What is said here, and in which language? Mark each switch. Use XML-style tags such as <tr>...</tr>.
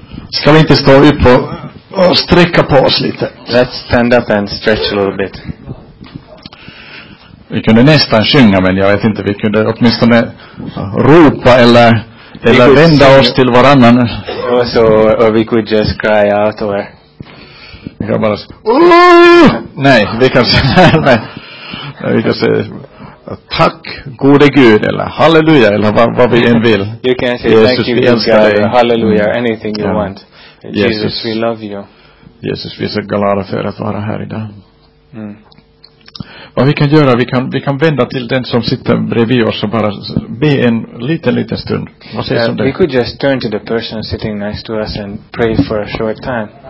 <sv>Ska vi inte stå upp och sträcka på oss lite?</sv> <en>Let's stand up and stretch a little bit.</en> <sv>Vi kunde nästan sjunga, men jag vet inte, vi kunde åtminstone ropa eller vända oss till varannan.</sv> <en>Also, or we could just cry out or...</en> <sv>Vi kan bara säga, nej, vi kan säga, vi kan säga, tack gode Gud, eller halleluja, eller vad vi än vill.</sv> <en>You can say Jesus, thank you, Jesus, God, or halleluja, anything you want. Jesus, we love you.</en> <sv>Jesus, vi är så glada för att vara här idag. Vad vi kan göra, vi kan vända till den som sitter bredvid oss och bara be en liten stund. Vad säger som det?</sv> <en>We could just turn to the person sitting next to us and pray for a short time.</en>